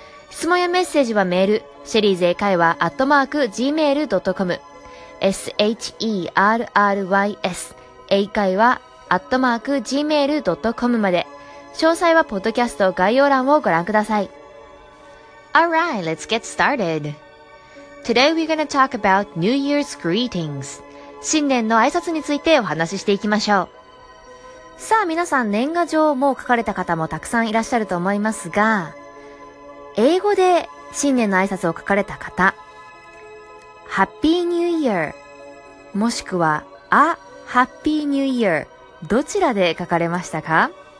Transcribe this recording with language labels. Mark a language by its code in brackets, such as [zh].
[ja] 質問やメッセージはメール、Sherry's 英会話@gmail.com、Sherry's 英会話@gmail.com まで。詳細はポッドキャスト概要欄をご覧ください。 [en] Alright, let's get started. Today we're going to talk about New Year's greetings. [ja] 新年の挨拶についてお話ししていきましょう。さあ皆さん年賀状も書かれた方もたくさんいらっしゃると思いますが、英語で新年の挨拶を書かれた方、Happy New Year もしくは A Happy New Year どちらで書かれましたか？